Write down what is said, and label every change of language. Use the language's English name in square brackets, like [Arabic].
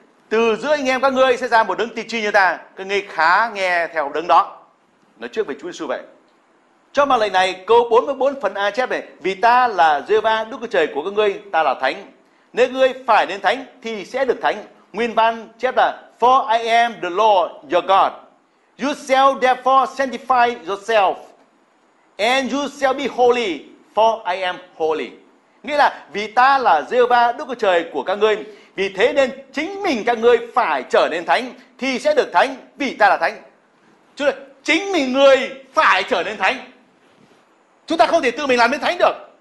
[Vietnamese] Từ giữa anh em các ngươi sẽ ra một đấng tiên tri như ta, các ngươi khá nghe theo đấng đó. Nói trước về Chúa Giê-su vậy. Cho mà lời này, câu 44 phần A chép này, vì ta là Giê-hô-va Đức Chúa Trời của các ngươi, ta là thánh. Nếu ngươi phải nên thánh thì sẽ được thánh. Nguyên văn chép là [English] For I am the Lord your God. You shall therefore sanctify yourself and you shall be holy for I am holy. [Vietnamese] Nghĩa là vì ta là Giê-hô-va Đức Chúa Trời của các ngươi, vì thế nên chính mình các ngươi phải trở nên thánh thì sẽ được thánh vì ta là thánh. Chúa ơi, chính mình người phải trở nên thánh. Chúng ta không thể tự mình làm nên thánh được.